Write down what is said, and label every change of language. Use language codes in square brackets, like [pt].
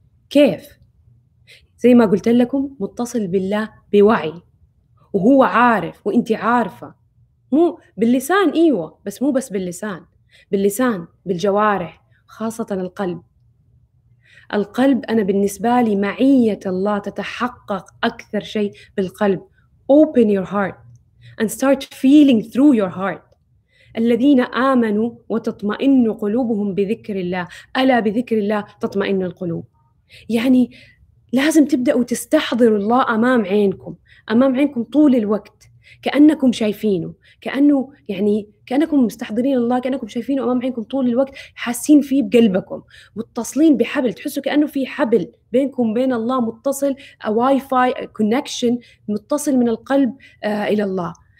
[ar] كيف؟ زي ما قلت لكم، متصل بالله بوعي، وهو عارف وإنت عارفة، مو باللسان، إيوة، بس مو بس باللسان، باللسان، بالجوارح، خاصة القلب. القلب أنا بالنسبة لي معية الله تتحقق أكثر شيء بالقلب. [en] Open your heart and start feeling through your heart. [ar] الذين آمنوا وتطمئن قلوبهم بذكر الله، ألا بذكر الله تطمئن القلوب. يعني لازم تبدأوا تستحضروا الله أمام عينكم، أمام عينكم طول الوقت، كأنكم شايفينه، كأنه يعني كأنكم مستحضرين الله، كأنكم شايفينه أمام عينكم طول الوقت، حاسين فيه بقلبكم، متصلين بحبل، تحسوا كأنه في حبل بينكم بين الله، متصل، واي فاي كونكشن، متصل من القلب إلى الله.